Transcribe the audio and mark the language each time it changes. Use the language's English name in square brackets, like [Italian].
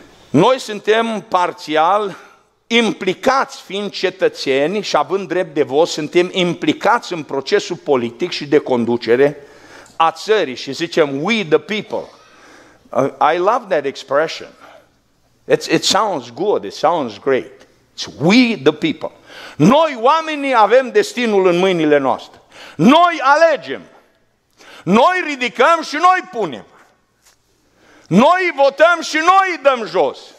[Romanian] Noi suntem parțial implicați, fiind cetățeni și având drept de vot, suntem implicați în procesul politic și de conducere a țării și zicem [English] we the people. I love that expression. It sounds good, it sounds great. It's we the people. [Romanian] Noi oamenii avem destinul în mâinile noastre. Noi alegem. Noi ridicăm și noi punem. Noi votăm și noi dăm jos.